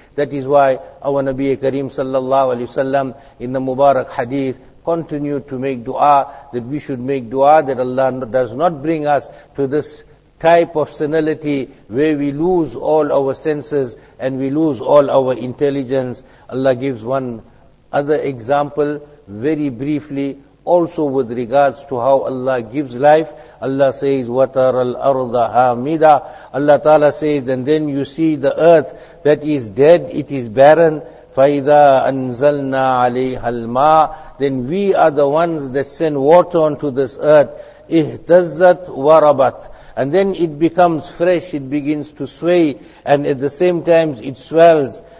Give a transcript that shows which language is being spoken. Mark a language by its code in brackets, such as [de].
[en] That is why our Nabi Kareem sallallahu alayhi wasallam in the Mubarak Hadith continued to make dua, that we should make dua that Allah does not bring us to this type of senility where we lose all our senses and we lose all our intelligence. Allah gives one other example very briefly, also with regards to how Allah gives life. Allah says, [ar] وَتَرَى الْأَرْضَ هَامِدًا. [en] Allah Ta'ala says, and then you see the earth that is dead, it is barren. [ar] فَإِذَا أَنزَلْنَا عَلَيْهَا الْمَاءَ. [en] Then we are the ones that send water onto this earth. [ar] اِهْتَزَّتْ وَرَبَتْ. [en] And then it becomes fresh, it begins to sway, and at the same time it swells.